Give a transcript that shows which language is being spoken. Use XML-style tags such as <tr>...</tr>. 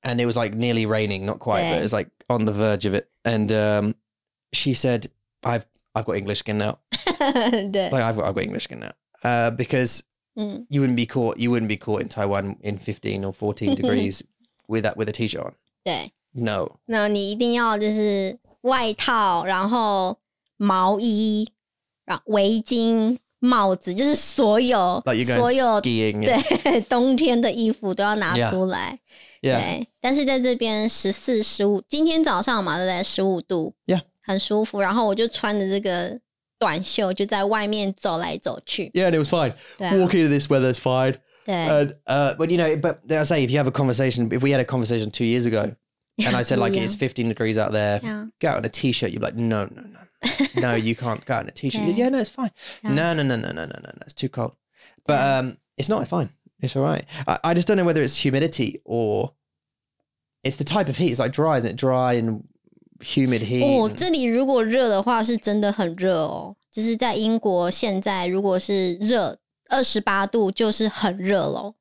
<en>And it was like nearly raining, not quite, but it was like on the verge of it. And she said, I've got English skin now.</en> <zh>对。</zh> <en>Like, I've got English skin now. Because you wouldn't be caught in Taiwan in 15 or 14 degrees with a t-shirt on.</en> <zh>对,</zh> <en>no.</en> <zh>No, 你一定要就是外套,然后毛衣,围巾,帽子,就是所有,</zh> <en>like you're going</en> <zh>所有,</zh> <en>skiing.</en> <zh>对, yeah. 冬天的衣服都要拿出来。</zh> <en>Yeah. Yeah.</en> <zh>对, 但是在这边 14, 15, 今天早上嘛, 对不对, 15度,</zh> <en>yeah.</en> <zh>很舒服, 然后我就穿着这个, 短袖就在外面走来走去.</zh> <en>Yeah, and it was fine.</en> <zh>对啊,</zh> <en>walking in this weather is fine.</en> <zh>对,</zh> <en>and, but you know, but I say, if you have a conversation, if we had a conversation 2 years ago, and I said like, it's 15 degrees out there, yeah. Go out in a t-shirt, you'd be like, no, no, no. No, you can't go out in a t-shirt. Yeah, no, it's fine. Yeah. No, it's too cold. But it's not, it's fine. It's all right. I just don't know whether it's humidity or it's the type of heat. It's like dry, isn't it? Dry and humid heat.</en> <zh>哦,这里如果热的话是真的很热哦。就是在英国现在如果是热, 28度就是很热咯。</zh>